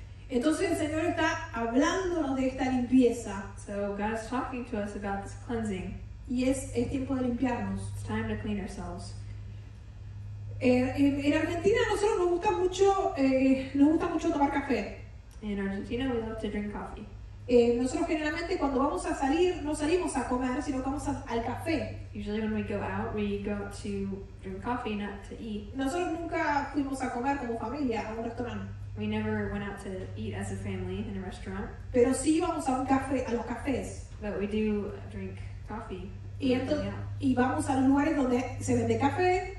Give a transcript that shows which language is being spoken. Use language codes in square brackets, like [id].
[es] Entonces el Señor está hablándonos de esta limpieza. [en] So God is talking to us about this cleansing. [es] Y es tiempo de limpiarnos. [en] It's time to clean ourselves. [es] En Argentina nosotros nos gusta mucho tomar café. [en] In Argentina we love to drink coffee. [es] Nosotros generalmente cuando vamos a salir no salimos a comer sino vamos al café. [en] Usually when we go out we go to drink coffee, not to eat. [es] Nosotros nunca fuimos a comer como familia a un restaurante. [en] We never went out to eat as a family in a restaurant. [es] Pero sí íbamos a un café, a los cafés. [en] But we do drink coffee. [es] Y vamos a los lugares donde se vende café.